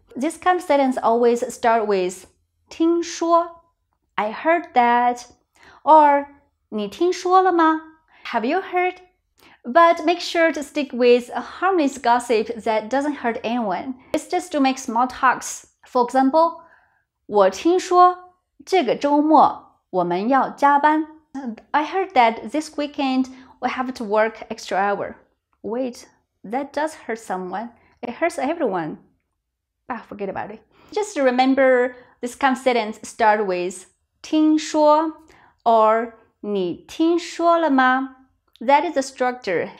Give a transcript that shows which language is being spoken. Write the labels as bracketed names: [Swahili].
[English] This kind of sentence always starts with [Chinese] 听说。 [English] I heard that, or [Chinese] 你听说了吗? [English] Have you heard? But make sure to stick with a harmless gossip that doesn't hurt anyone. It's just to make small talks. For example, [Chinese] 我听说这个周末我们要加班。 [English] I heard that this weekend we have to work extra hour. Wait, that does hurt someone. It hurts everyone. Ah, forget about it. Just remember this kind of sentence starts with [Chinese] 听说 [English] or [Chinese] 你听说了吗? [English] That is the structure.